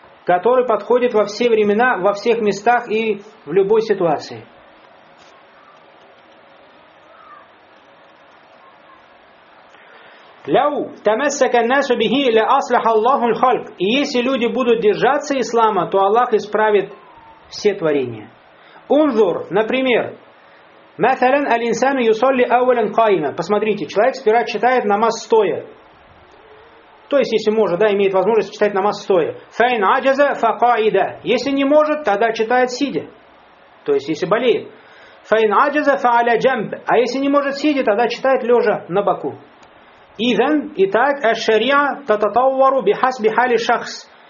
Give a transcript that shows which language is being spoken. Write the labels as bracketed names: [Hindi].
[Russian] который подходит во все времена, во всех местах и в любой ситуации. [Arabic] لو تمسك الناس به لأصلح الله الخلق. [Russian] И если люди будут держаться ислама, то Аллах исправит все творения. [Arabic] Унзур, например, مثلاً الإنسان يصلي أولاً قائماً. [Russian] Посмотрите, человек сперва читает намаз стоя. То есть, если может, да, имеет возможность читать намаз стоя. [Arabic] فإن عجز فقاعدة. [Russian] Если не может, тогда читает сидя. То есть, если болеет. فإن عجز فعلى جنب. А если не может сидя, тогда читает лежа на боку. Итак, аш-шариа тататаввару бихасби хали шахс.